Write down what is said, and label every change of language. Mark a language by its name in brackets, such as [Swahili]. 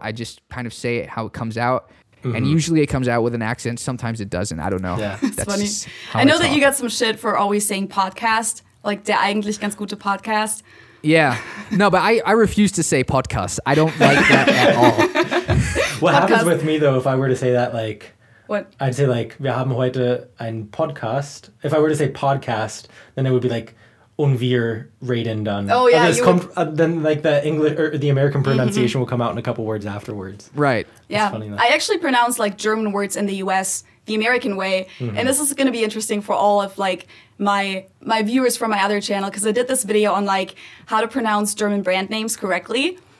[English] I just kind of say it how it comes out. Mm-hmm. And usually it comes out with an accent. Sometimes it doesn't. I don't know. Yeah. That's funny. I know that you got some shit for always saying podcast, like [German] der eigentlich ganz gute Podcast. [English] Yeah. No, but I refuse to say podcast. I don't like that at all. What happens with me though, if I were to say that, like, what? I'd say like, [German] wir haben heute ein Podcast. [English] If I were to say podcast, then it would be like, [German] und wir reden dann. [English] Oh yeah, then like the English or the American pronunciation mm-hmm. will come out in a couple words afterwards. Right. That's yeah. funny I actually pronounce like German words in the U.S. the American way, mm-hmm. and this is going to be interesting for all of like my viewers from my other channel because I did this video on like how to pronounce German brand names correctly.